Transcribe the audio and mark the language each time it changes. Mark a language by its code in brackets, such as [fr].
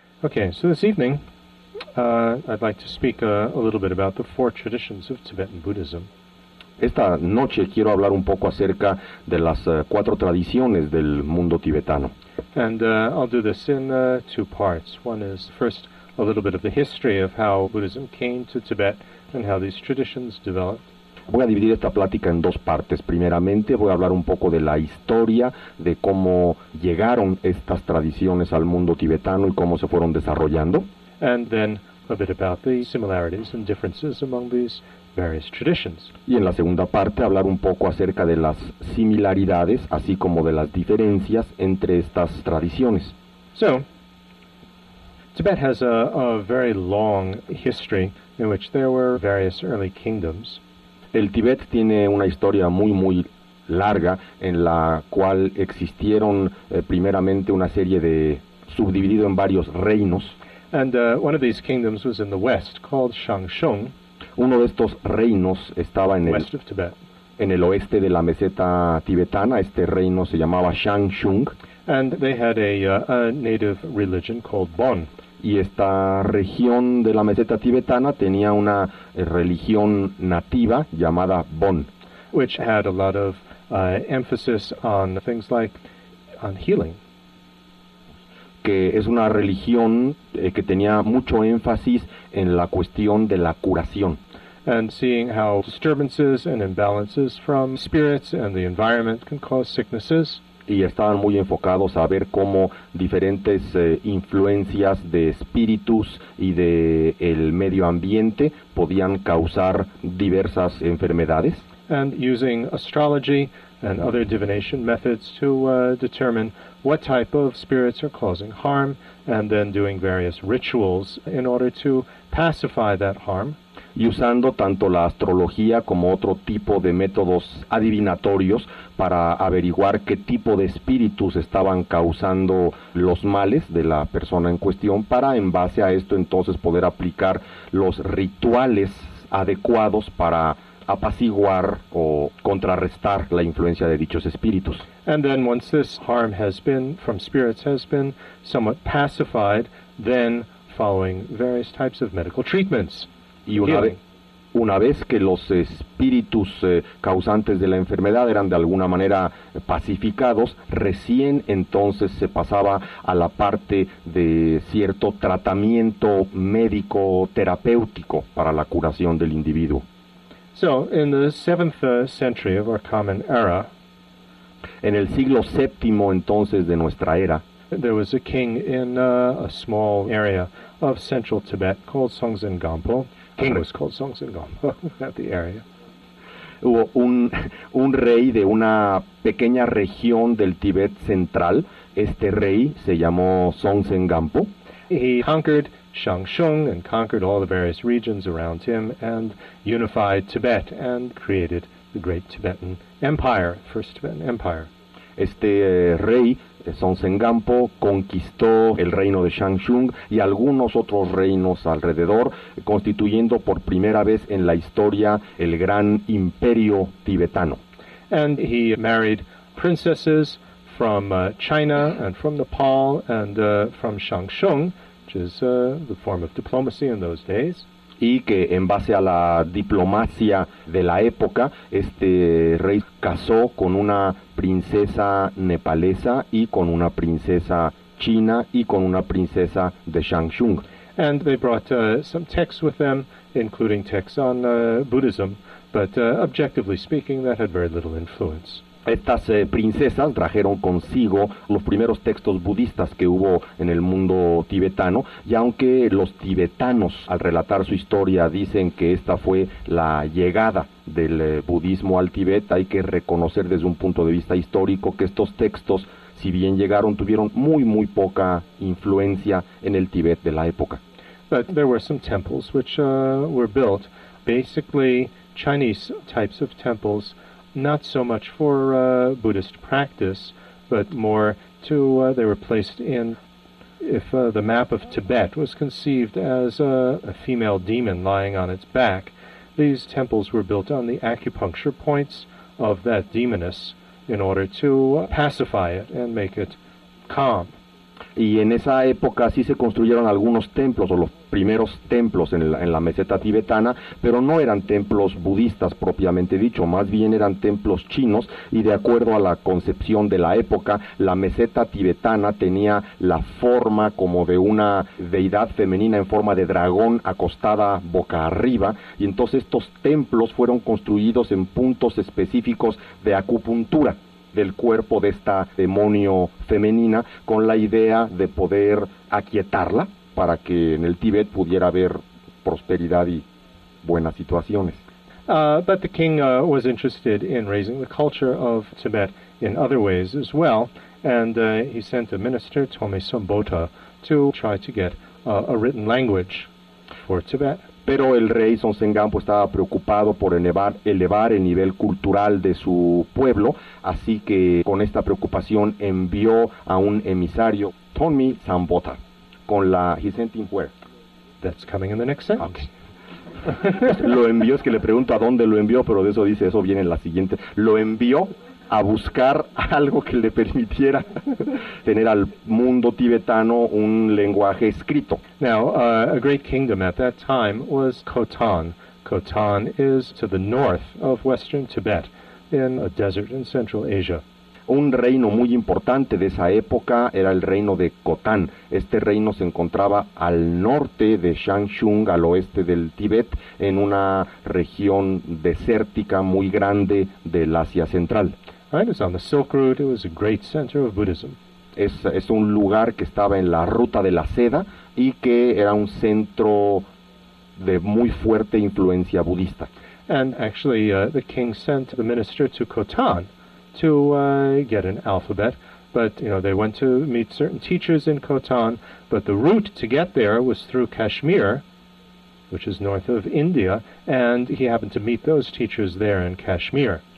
[en] Okay, so this evening, I'd like to speak a little bit about the four traditions of Tibetan Buddhism. [es] Esta noche quiero hablar un poco acerca de las cuatro tradiciones del mundo tibetano. [en] And I'll do this in two parts. One is first a little bit of the history of how Buddhism came to Tibet and how these traditions developed. [es] Voy a dividir esta plática en dos partes. Primeramente, voy a hablar un poco de la historia de cómo llegaron estas tradiciones al mundo tibetano y cómo se fueron desarrollando. [en] And then a bit about the similarities and differences among these various traditions. [es] Y en la segunda parte, hablar un poco acerca de las similaridades, así como de las diferencias entre estas tradiciones. [en] So, Tibet has a very long history in which there were various early kingdoms. [es] El Tíbet tiene una historia muy, muy larga en la cual existieron primeramente una serie de, subdividido en varios reinos. [en] And one of these kingdoms was in the west, called Shangshung. [es] Uno de estos reinos estaba en el oeste de la meseta tibetana. Este reino se llamaba Shangshung. [en] And they had a native religion called Bon. [es] Y esta región de la meseta tibetana tenía una religión nativa llamada Bon, [en] which had a lot of emphasis on things like on healing. [es] Que es una religión que tenía mucho énfasis en la cuestión de la curación. [en] And seeing how disturbances and imbalances from spirits and the environment can cause sicknesses. [es] Y estaban muy enfocados a ver cómo diferentes influencias de espíritus y de el medio ambiente podían causar diversas enfermedades. [en] And using astrology and other divination methods to determine what type of spirits are causing harm, and then doing various rituals in order to pacify that harm. [es] Y usando tanto la astrología como otro tipo de métodos adivinatorios para averiguar qué tipo de espíritus estaban causando los males de la persona en cuestión, para en base a esto entonces poder aplicar los rituales adecuados para apaciguar o contrarrestar la influencia de dichos espíritus. [en] And then once this harm has been from spirits has been somewhat pacified, then following various types of medical treatments. [es] Y una vez que los espíritus causantes de la enfermedad eran de alguna manera pacificados, recién entonces se pasaba a la parte de cierto tratamiento médico terapéutico para la curación del individuo. [en] So, in the 7th century of our common era, [es] en el siglo séptimo entonces de nuestra era, [en] there was a king in a small area of central Tibet called Songzhen Gampo. King was called Songzhen Gampo at the area. [es] Hubo un rey de una pequeña región del Tíbet central. Este rey se llamó Songzhen Gampo. [en] He conquered Shangshung and conquered all the various regions around him and unified Tibet and created the Great Tibetan Empire, First Tibetan Empire. [es] Este rey, Songzhen Gampo, conquistó el reino de Shangshung y algunos otros reinos alrededor, constituyendo por primera vez en la historia el gran imperio tibetano. [en] And he married princesses from China and from Nepal and from Shangshung, which is the form of diplomacy in those days. [es] Y que en base a la diplomacia de la época, este rey casó con una princesa nepalesa y con una princesa china y con una princesa de Shangshung. [en] And they brought some texts with them, including texts on Buddhism, but objectively speaking, that had very little influence. [es] Estas princesas trajeron consigo los primeros textos budistas que hubo en el mundo tibetano, y aunque los tibetanos, al relatar su historia, dicen que esta fue la llegada del budismo al Tíbet, hay que reconocer desde un punto de vista histórico que estos textos, si bien llegaron, tuvieron muy, muy poca influencia en el Tíbet de la época. [en] But there were some temples which were built, basically Chinese types of temples, not so much for Buddhist practice, but more to, they were placed in, if the map of Tibet was conceived as a female demon lying on its back, these temples were built on the acupuncture points of that demoness in order to pacify it and make it calm. [es] Y en esa época sí se construyeron algunos templos o los primeros templos en la meseta tibetana, pero no eran templos budistas propiamente dicho, más bien eran templos chinos, y de acuerdo a la concepción de la época, la meseta tibetana tenía la forma como de una deidad femenina en forma de dragón acostada boca arriba, y entonces estos templos fueron construidos en puntos específicos de acupuntura del cuerpo de esta demonio femenina, con la idea de poder aquietarla para que en el Tíbet pudiera haber prosperidad y buenas situaciones. [en] But the king was interested in raising the culture of Tibet in other ways as well, and he sent a minister, Tome Sombota, to try to get a written language for Tibet. [es] Pero el rey Sonsengampo estaba preocupado por elevar el nivel cultural de su pueblo, así que con esta preocupación envió a un emisario, Tommy Sambota, con la... [en] He sent him where? That's coming in the next sentence. Okay. [es] Lo envió, es que le pregunto a dónde lo envió, pero de eso dice, eso viene en la siguiente. Lo envió a buscar algo que le permitiera tener al mundo tibetano un lenguaje escrito. [en] Now, a great kingdom at that time was Khotan. Khotan is to the north of western Tibet, in a desert in central Asia. [es] Un reino muy importante de esa época era el reino de Khotan. Este reino se encontraba al norte de Shanshung, al oeste del Tíbet, en una región desértica muy grande del Asia Central. [en] Right, it's on the Silk Route. It was a great center of Buddhism. [es] Es un lugar que estaba en la ruta de la seda y que era un centro de muy fuerte influencia budista. [en] And actually, the king sent the minister to Khotan to get an alphabet, but you know, they went to meet certain teachers in Khotan, but the route to get there was through Kashmir, which is north of India, and he happened to meet those teachers there in Kashmir.